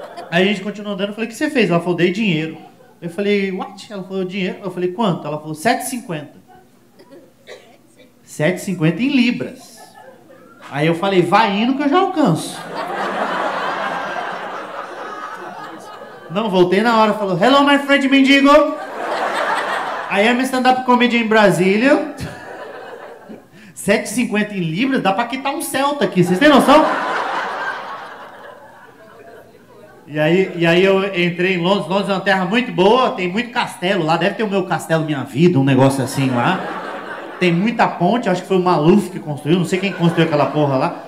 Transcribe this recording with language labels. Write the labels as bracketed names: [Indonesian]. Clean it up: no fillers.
[Portuguese] Aí a gente continuou andando, eu falei, o que você fez? Ela falou, dei dinheiro. Eu falei, [English] what? [Portuguese] Ela falou, dinheiro? Eu falei, quanto? Ela falou, 7,50. 7,50 em libras. Aí eu falei, vai indo que eu já alcanço. Não, voltei na hora, falou, [English] hello my friend [Portuguese] mendigo. [English] I am stand-up comedian in Brasília. [Portuguese] 7,50 em libras, dá pra quitar um celta aqui, vocês têm noção? E aí eu entrei em Londres. Londres é uma terra muito boa, tem muito castelo lá. Deve ter o meu castelo Minha Vida, um negócio assim lá. Tem muita ponte, acho que foi o Maluf que construiu, não sei quem construiu aquela porra lá.